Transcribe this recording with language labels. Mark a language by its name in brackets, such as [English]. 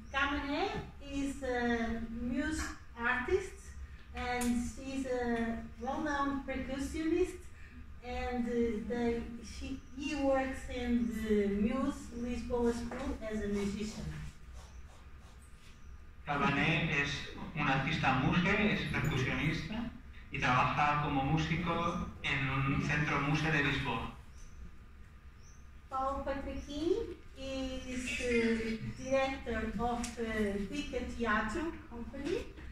[English] Camané is a muse artist, and she's a well-known percussionist, and he works in the Muse Lisboa School as a musician. [Spanish] Camané es un artista muse, es percusionista, y trabaja como músico en un centro muse de Lisboa. [English] Paulo Patriquim is the director of the Pica Teatro Company.